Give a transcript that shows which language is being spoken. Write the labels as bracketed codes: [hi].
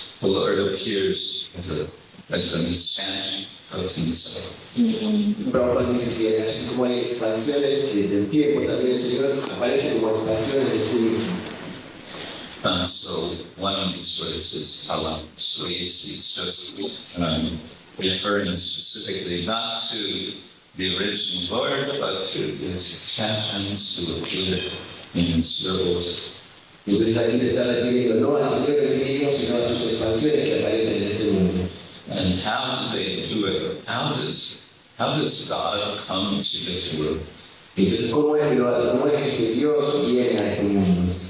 [en] The Lord appears as an expansion of himself. [es] Prabhupada dice que así como hay expansiones del tiempo, también el Señor aparece como expansiones de sí mismo. [en] So one of these words is Allah. So he's just referring specifically not to the original Lord, but to his expansions who appear in his world. [es] Entonces aquí se está refiriendo no al Señor que vivimos, sino a sus expansiones que aparecen en este mundo. [en] And how do they do it? How does God come to this world? [es] Entonces, ¿cómo es que lo hace? ¿Cómo es que Dios viene a este mundo?